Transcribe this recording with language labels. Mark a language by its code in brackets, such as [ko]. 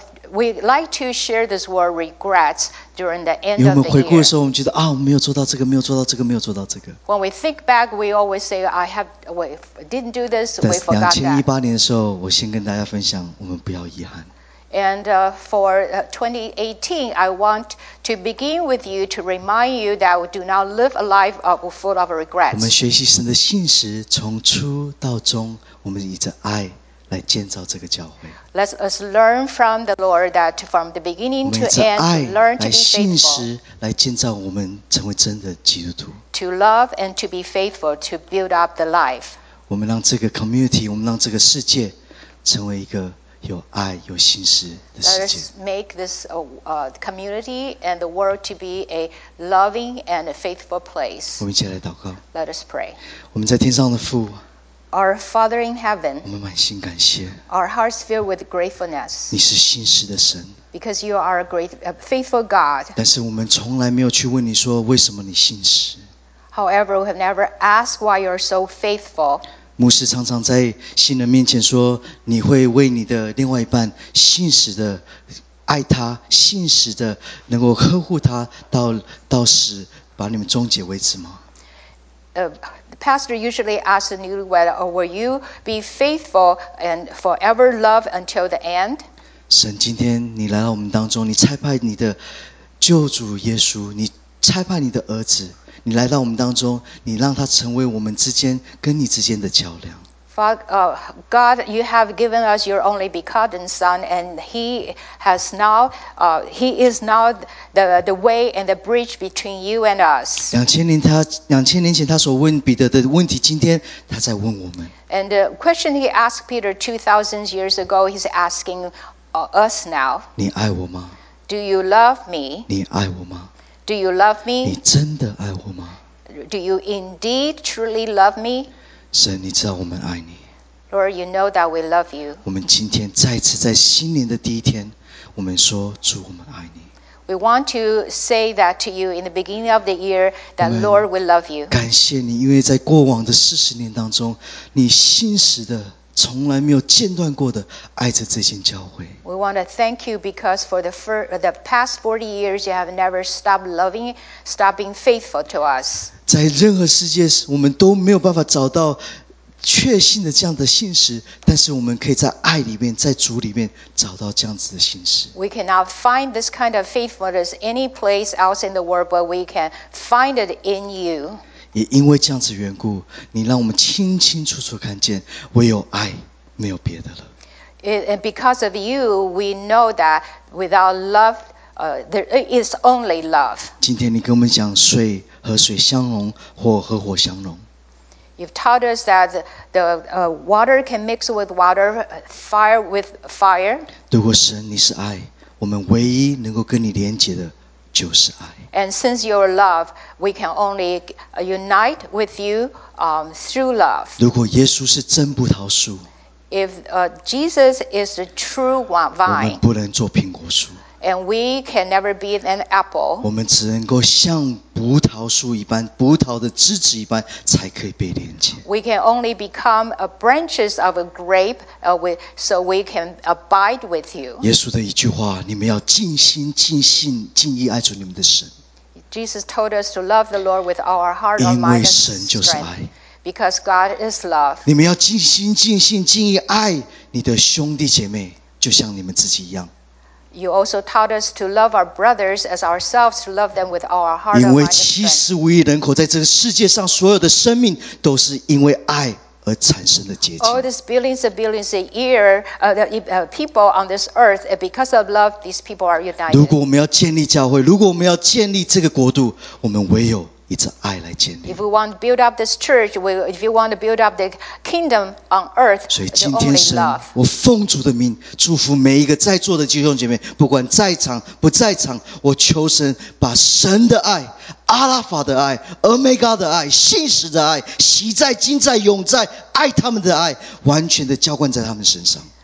[en] We like to share this word regrets during the end of the year. [zh] 因为我们回顾的时候，我们觉得啊，我没有做到这个，没有做到这个，没有做到这个。 [en] When we think back, we always say, "We didn't do this. We forgot that." [zh] 2018年的时候，我先跟大家分享，我们不要遗憾。 [en] And for 2018, I want to begin with you to remind you that we do not live a life full of regrets. [zh] 我们学习神的信实，从初到终，我们以着爱来建造这个教会。 [en] Let us learn from the Lord that from the beginning to end, learn to be faithful. [zh] 信实来建造我们成为真的基督徒。 [en] To love and to be faithful to build up the life. [zh] 我们让这个 community, 我们让这个世界成为一个有爱有心思的世界。 [en] Let us make this community and the world to be a loving and a faithful place. [zh] 我们一起来祷告。 [en] Let us pray. [zh] 我们在天上的父。 [en] Our Father in heaven. [zh] 我们满心感谢。 [en] Our hearts filled with gratefulness. [zh] 你是信实的神。 [en] Because you are a great, a faithful God. [zh] 但是我们从来没有去问你说为什么你信实。 [en] However, we have never asked why you are so faithful. [zh] 牧师常常在新人面前说，你会为你的另外一半信实的爱他，信实的能够呵护他到死，把你们终结为止吗？ [en] The pastor usually asks the newlywed, "Oh, will you be faithful and forever love until the end?" [zh] 神，今天你来到我们当中，你差派你的救主耶稣，你差派你的儿子。你来到我们当中，你让他成为我们之间跟你之间的桥梁。 [en] God, you have given us your only begotten Son, and He has now, He is now the way and the bridge between you and us. [zh] 2000年前他所问彼得的问题，今天他在问我们。 [en] And the question He asked Peter 2,000 years ago, He's asking us now. [zh] 你爱我吗 [en] ？Do you love me？ [zh] 你爱我吗？ [en] Do you love me? [zh] 你真的爱我吗？ [en] Do you indeed truly love me? [zh] 神，你知道我们爱你。 [en] Lord, you know that we love you. [zh] 我们今天再次在新年的第一天，我们说主，我们爱你。 [en] We want to say that to you in the beginning of the year that Lord, we love you. [zh] 感谢你，因为在过往的40年当中，你信实的。从来没有间断过的爱着这间教会。 [en] We want to thank you because for the past 40 years you have never stopped loving, stopped being faithful to us. [zh] 在任何世界，我们都没有办法找到确信的这样的信实，但是我们可以在爱里面，在主里面找到这样子的信实。 [en] We cannot find this kind of faithfulness any place else in the world, but we can find it in you. [zh] 也因为这样子缘故，你让我们清清楚楚看见，唯有爱，没有别的了。 [en] And because of you, we know that without love, there is only love. [zh] 今天你跟我们讲水和水相融，火和火相融。 [en] You've taught us that the water can mix with water, fire with fire. [zh] 如果神你是爱，我们唯一能够跟你连接的。就是爱。 [en] And since you are love, we can only unite with you through love. [zh] 如果耶稣是真葡萄树 [en] ，If Jesus is the true vine, [zh] 我们不能做苹果树 [en] ，And we can never be an apple. [zh] 我们只能够像葡萄树一般，葡萄的枝子一般，才可以被连接。 [en] We can only become a branches of a grape, so we can abide with you. [zh] 耶稣的一句话，你们要尽心、尽性、尽意爱主你们的神。 [en] Jesus told us to love the Lord with our heart, our mind, and strength. [zh] 因为神就是爱。 [en] Because God is love. [zh] 你们要尽心、尽性、尽意爱你的兄弟姐妹，就像你们自己一样。 [en] You also taught us to love our brothers as ourselves, to love them with our heart. [zh] 因为75亿人口在这个世界上，所有的生命都是因为爱而产生的结晶。 [en] All these billions and billions a year, people on this earth, because of love, these people are united. [zh] 如果我们要建立教会，如果我们要建立这个国度，我们唯有以这爱来建立。 [en] If we want to build up this church, if you want to build up the kingdom on earth, so today, Lord, [zh] 我奉主的名祝福每一个在座的弟兄姐妹，不管在场不在场，我求神把神的爱、阿拉法的爱、俄梅伽的爱、信实的爱、昔在、今在、永在、爱他们的爱，完全的浇灌在他们身上。